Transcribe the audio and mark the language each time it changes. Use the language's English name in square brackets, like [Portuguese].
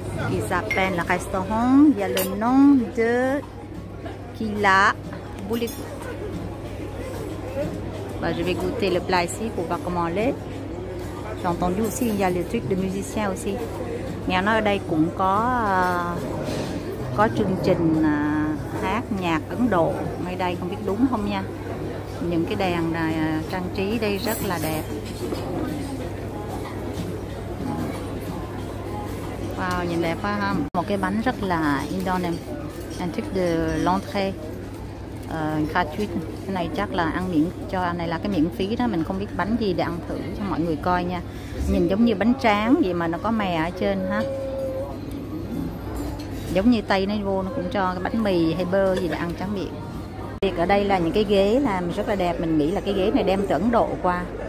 [French] Il s'appelle le restaurant, il y a le nom de Kila Boulik. Bah, je vais goûter le plat ici pour voir comment il est. J'ai entendu aussi il y a le truc de musicien aussi. [Vietnamese] Nghe nói ở đây cũng có chương trình hát nhạc Ấn Độ. Ngay đây không biết đúng không nha. Những cái đèn này trang trí đây rất là đẹp. Wow, nhìn đẹp quá ha. Một cái bánh rất là Indonesian. [French] Un truc de l'entrée gratuit. [Vietnamese] Cái này chắc là ăn miễn cho, này là cái miễn phí đó. Mình không biết bánh gì để ăn thử cho mọi người coi nha. Nhìn giống như bánh tráng vậy mà nó có mè ở trên ha. Giống như Tây nó vô nó cũng cho cái bánh mì hay bơ gì để ăn tráng miệng. Việc ở đây là những cái ghế làm rất là đẹp. Mình nghĩ là cái ghế này đem từ Ấn Độ qua.